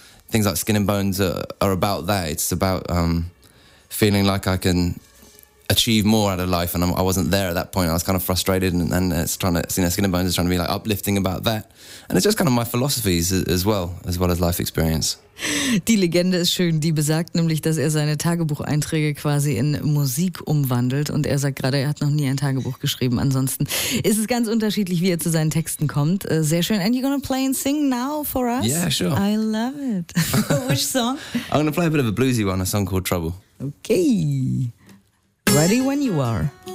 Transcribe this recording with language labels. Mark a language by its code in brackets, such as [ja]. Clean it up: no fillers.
[en] things like Skin and Bones are about that. It's about feeling like I can achieve more out of life, and I wasn't there at that point. I was kind of frustrated, and it's trying to, you know, Skin and Bones is trying to be like uplifting about that, and it's just kind of my philosophies as well as life experience. [de] Die Legende ist schön, die besagt nämlich, dass er seine Tagebucheinträge quasi in Musik umwandelt, und er sagt gerade, er hat noch nie ein Tagebuch geschrieben. Ansonsten ist es ganz unterschiedlich, wie er zu seinen Texten kommt. Sehr schön. [en] And you're gonna play and sing now for us? Yeah, sure. I love it. Which song? I'm gonna play a bit of a bluesy one, a song called Trouble. Okay. Ready when you are.